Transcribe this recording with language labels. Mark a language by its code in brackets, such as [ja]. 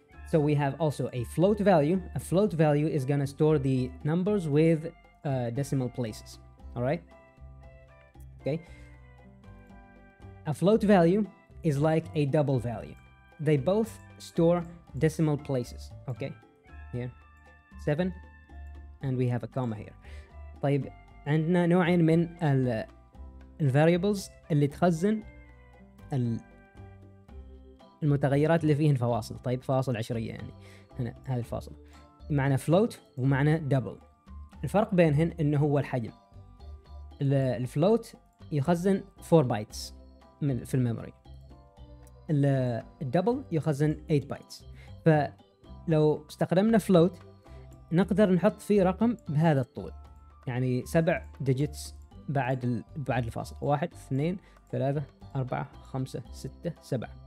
[en] So we have also a float value. A float value is gonna store the numbers with decimal places, all right? Okay? A float value is like a double value. They both store decimal places, okay? Here, 7, and we have a comma here. [ar] طيب, عندنا نوعين من الvariables اللي تخزن المتغيرات اللي فيهن فواصل. طيب, فواصل عشرية يعني, هنا هذا الفاصل. معنى float ومعنى double. الفرق بينهن انه هو الحجم. الفلوت يخزن 4 bytes في الميموري. الدبل يخزن 8 bytes. فلو استخدمنا float نقدر نحط فيه رقم بهذا الطول، يعني 7 digits بعد الفاصل، 1 2 3 4 5 6 7.